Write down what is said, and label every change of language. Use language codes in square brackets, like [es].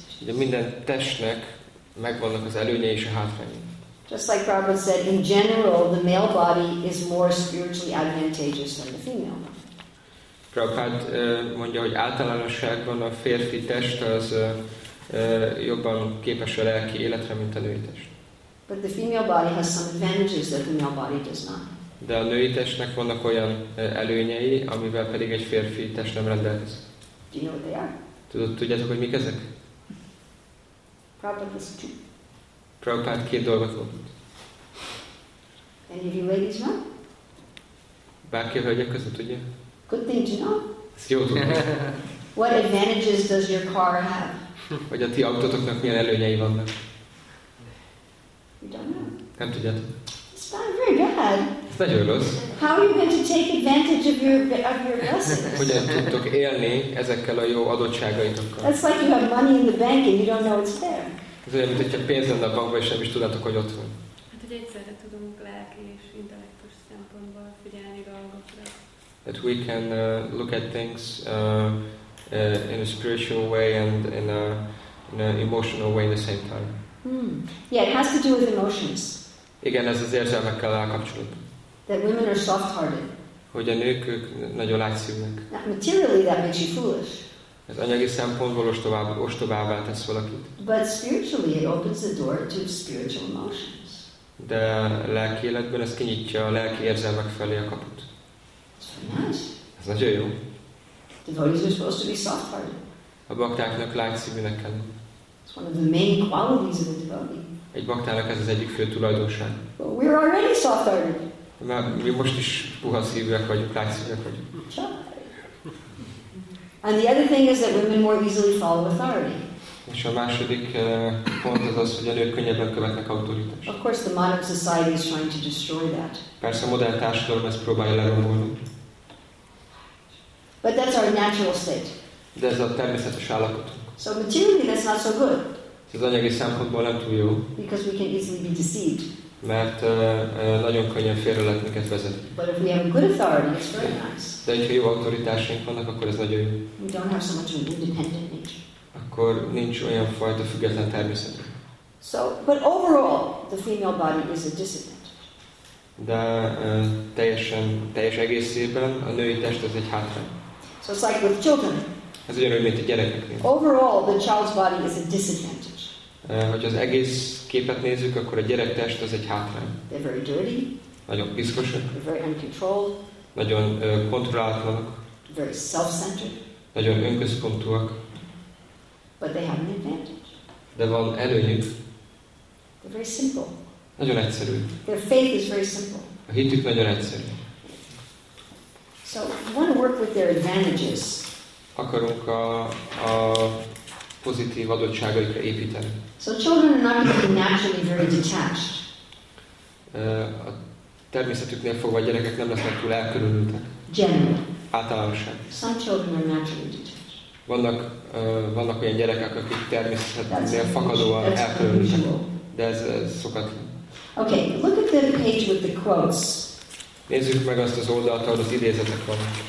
[hu] De minden testnek megvannak az előnyei és a hátrányai. [en] Just like Prabhupada said, in general, the male body is more spiritually advantageous than the female body. [hu] Prabhupada mondja, hogy általánosságban a férfi test az jobban képes a lelki életre, mint a női test. [en] But the female body has some advantages that the male body does not. [hu] De a női testnek vannak olyan előnyei, amivel pedig egy férfi test nem rendelkezik. [en] Do you know what they are? [hu] Tudjátok, hogy mik ezek? Prabhupada 2 dolgot mondott. [en] Any of you ladies know? [hu] Bárki a hölgyek között tudja? [en] Good thing to know. [hu] Ezt jó tudom. [en] What advantages does your car have? [hu] Vagy a ti autótoknak milyen előnyei vannak? [en] You don't know. [hu] Nem tudjátok. [en] It's not very bad. [hu] Ez nagyon rossz. [en] How are you going to take advantage of your blessings? [hu] Hogyan tudtok élni ezekkel a jó adottságaitokkal? [en] It's like you have money in the bank and you don't know it's there. [hu] Ez olyan, mintha pénz lenne a bankban, és nem is tudnátok, hogy ott van. Hát, hogy egyszerre tudunk lelki és intellektus szempontból figyelni dolgokra. [en] That we can look at things in a spiritual way and in a emotional way at the same time. Hmm. Yeah, it has to do with emotions. [hu] Igen, ez az érzelmekkel áll kapcsolat. [en] That women are soft-hearted. [hu] Hogy a nők, ők nagyon látszívnek. [en] Now, materially, that makes you foolish. [hu] Ez anyagi szempontból ostobává tesz valakit. [en] But spiritually, it opens the door to spiritual emotions. [hu] De lelki életben ez kinyitja a lelki érzelmek felé a kaput. [en] Nice. [hu] Ez nagyon jó. [en] Devotees are supposed to be soft-hearted. [hu] A baktáknak látszívűnek kell. [en] It's one of the main qualities of a devotee. [hu] Egy baktának ez az egyik fő tulajdonság. [en] But we're already soft-hearted. [hu] Mert mi most is puha szívűek vagyunk, látszívűek vagyunk. [en] And the other thing is that women more easily follow authority. [hu] És a második pont az, hogy a nők könnyebben követnek autoritást. [en] Of course, the modern society is trying to destroy that. [hu] Persze a modern társadalom ezt próbálja lerombolni. [en] But that's our natural state. [hu] De ez a természetes állapotunk. [en] So materially, that's not so good. [hu] Ez anyagi szempontból nem túl jó. [en] Because we can easily be deceived. [hu] Mert nagyon könnyen félre lehet minket vezetni. [en] But if we have a good authority, it's very nice. [hu] De hogyha jó autoritásaink vannak, akkor ez nagyon jó. [en] We don't have so much of an independent nature. [hu] Akkor nincs olyan fajta független természet. [en] So, but overall, the female body is a disadvantage. [hu] De teljes egészében a női test az egy hátrány. [en] So it's like with children. [hu] Ez ugyanúgy, mint a gyerekeknél. [en] Overall, the child's body is a disadvantage. [hu] Hogy az egész képet nézzük, akkor a gyerek test az egy hátrány. [en] They're very dirty. [hu] Nagyon piszkosak. [en] They're very uncontrolled. [hu] Nagyon kontrollálatlanok. [en] Very self-centered. [hu] Nagyon önközpontúak. [en] But they have an advantage. [hu] De van előnyük. [en] They're very simple. [hu] Nagyon egyszerű. [en] Their faith is very simple. [hu] A hitük nagyon egyszerű. [en] So, we want to work with their advantages. [hu] Akarunk a pozitív adottságaikra építeni. [en] So children are not going to be naturally very detached. [hu] A természetüknél fogva a gyerekek nem lesznek túl elkülönültek. Általánosan. [en] Some children are naturally detached. [hu] Vannak olyan gyerekek, akik természetüknél fakadóan elkülönültek. De ez szokatlan. [en] Okay, look at the page with the quotes. [hu] Nézzük meg azt az oldalt, ahol az idézetek vannak.